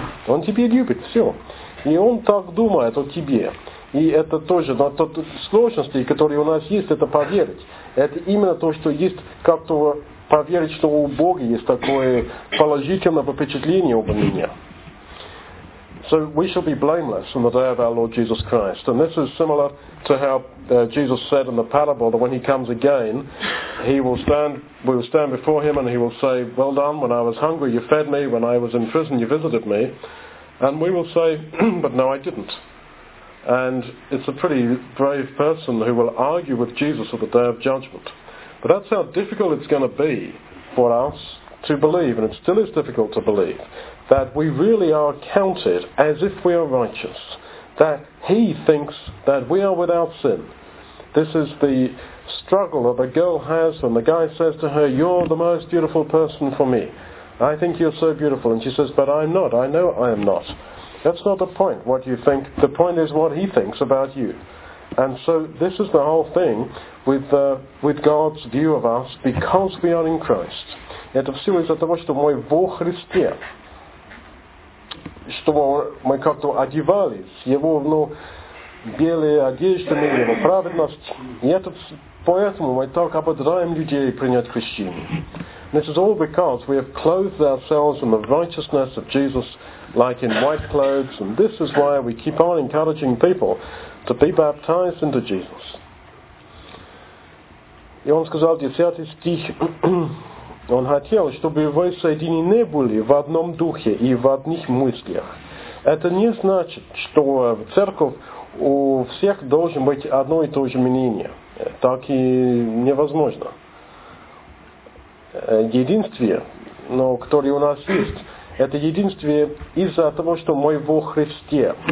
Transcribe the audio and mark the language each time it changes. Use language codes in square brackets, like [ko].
[ru] Он тебя любит, все. И он так думает о тебе. И это тоже, но тот сложности, которые у нас есть, это поверить. Это именно то, что есть как-то поверить, что у Бога есть такое положительное впечатление обо мне. [en] So we shall be blameless on the day of our Lord Jesus Christ. And this is similar to how Jesus said in the parable that when he comes again, we will stand before him and he will say, well done, when I was hungry you fed me, when I was in prison you visited me. And we will say, but no I didn't. And it's a pretty brave person who will argue with Jesus at the day of judgment. But that's how difficult it's going to be for us to believe, and it still is difficult to believe, that we really are counted as if we are righteous, that he thinks that we are without sin. This is the struggle that the girl has when the guy says to her, you're the most beautiful person for me. I think you're so beautiful. And she says, but I'm not. I know I am not. That's not the point, what you think. The point is what he thinks about you. And so this is the whole thing with God's view of us because we are in Christ. [ru] Это все из-за того, что мы во Христе, что мы как-то одевались Его, ну, белые одежды, Его праведность. И это поэтому мы так ободряем людей принять крещение. [en] This is all because we have clothed ourselves in the righteousness of Jesus, like in white clothes, and this is why we keep on encouraging people to be baptized into Jesus. [ru] И он сказал 10 стих, он хотел, чтобы вы соединены были в одном духе и в одних мыслях. Это не значит, что в церковь у всех должен быть одно и то же мнение. Так и невозможно. Единствие, но, которое у нас есть, это единствие из-за того, что мы во Христе.